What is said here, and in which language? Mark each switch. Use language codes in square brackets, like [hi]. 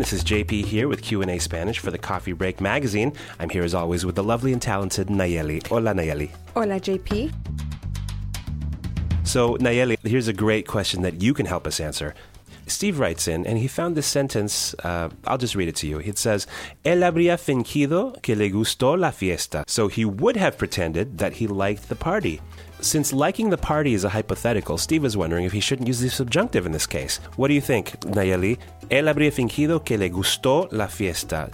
[en] This is JP here with Q&A Spanish for the Coffee Break magazine. I'm here, as always, with the lovely and talented Nayeli. [es] Hola, Nayeli. Hola, JP. [en] So, Nayeli, here's a great question that you can help us answer. Steve writes in, and he found this sentence, I'll just read it to you. It says, [es] él habría fingido que le gustó la fiesta. [en] So he would have pretended that he liked the party. Since liking the party is a hypothetical, Steve is wondering if he shouldn't use the subjunctive in this case. What do you think, Nayeli? [es] Él habría fingido que le gustó la fiesta.